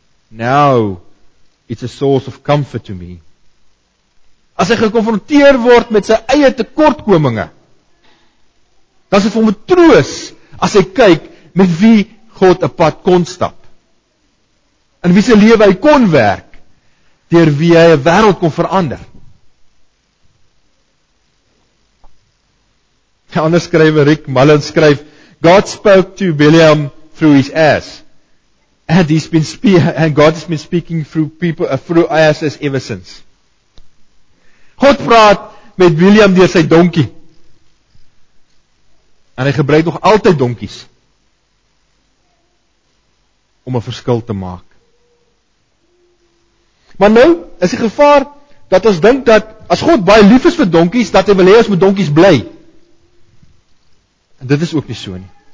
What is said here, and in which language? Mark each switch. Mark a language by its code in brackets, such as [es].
[en] Now it's a source of comfort to me. [af] As hy gekonfronteer word met sy eie tekortkominge, dan is dit vir hom 'n troos as hy kyk met wie God 'n pad kon stap. In wie se lewe hy kon werk, deur wie hy 'n wêreld kon verander. Die ander skrywer Rick Mullins skryf, [en] God spoke to William through his ass. And God has been speaking through people through asses ever since. [af] God praat met William deur sy donkie. En hy gebruik nog altyd donkies om 'n verskil te maak. Maar nou is die gevaar dat ons dink dat as God baie lief is vir donkies, dat hy wil hê ons moet donkies bly. En dit is ook nie so nie.